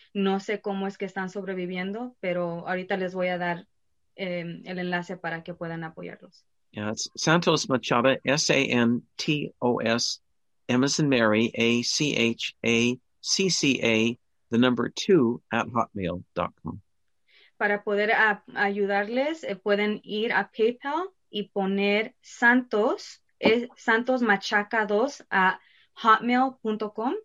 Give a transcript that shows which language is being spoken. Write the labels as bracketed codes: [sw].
[es] No sé cómo es que están sobreviviendo, pero ahorita les voy a dar el enlace para que puedan apoyarlos. [en] Yeah, it's Santos Machada, SANTOS, MS and Mary, ACHACCA2@hotmail.com. [es] Para poder ayudarles, pueden ir a PayPal y poner Santos Machaca 2 a hotmail.com.